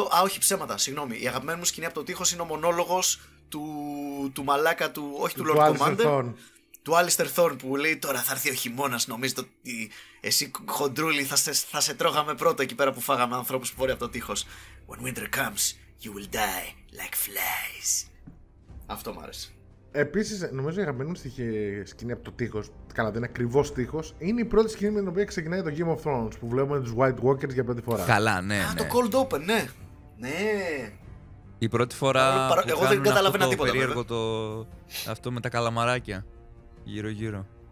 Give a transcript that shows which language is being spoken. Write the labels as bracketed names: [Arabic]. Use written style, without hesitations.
[Greek] Α, όχι, ψέματα, συγγνώμη. Η αγαπημένη μου σκηνή από το τείχος είναι ο μονόλογος του μαλάκα του. Όχι του Lord Commander. Του Alistair Thorne που λέει τώρα θα έρθει ο χειμώνας, νομίζετε ότι εσύ χοντρούλη θα σε τρώγαμε πρώτο εκεί πέρα που φάγαμε ανθρώπους που μπορεί από το τείχος. [English] When winter comes, you will die like flies. [Greek] Αυτό μου άρεσε. Επίσης, νομίζω η αγαπημένη μου σκηνή από το τείχος, καλά δεν είναι ακριβώς τείχος, είναι η πρώτη σκηνή με την οποία ξεκινάει το Game of Thrones που βλέπουμε τους White Walkers για πρώτη φορά. Καλά, ναι. Το Cold Open, ναι. Ναι. Η πρώτη φορά. Εγώ δεν καταλαβαίνω τίποτα. Περίεργο το. Αυτό με τα καλαμαράκια. Γύρω-γύρω.